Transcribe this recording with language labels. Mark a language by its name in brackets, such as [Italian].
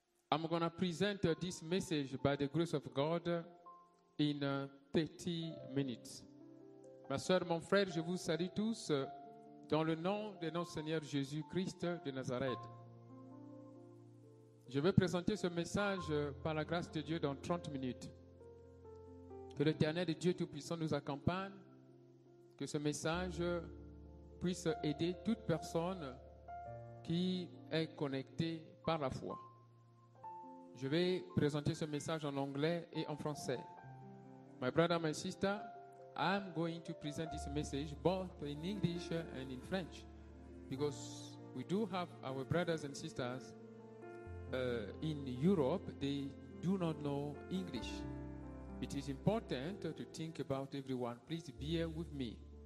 [English] I'm going to present this message by the grace of God in 30 minutes. [French] Ma soeur, mon frère, je vous salue tous dans le nom de notre Seigneur Jésus-Christ de Nazareth. Je vais présenter ce message par la grâce de Dieu dans 30 minutes. Que l'Éternel Dieu Tout-Puissant nous accompagne, que ce message puisse aider toute personne qui est connecté par la foi. Je vais présenter ce message en anglais et en français. [English] My brother, my sister, I'm going to present this message both in English and in French because we do have our brothers and sisters in Europe, they do not know English. It is important to think about everyone. Please bear with me.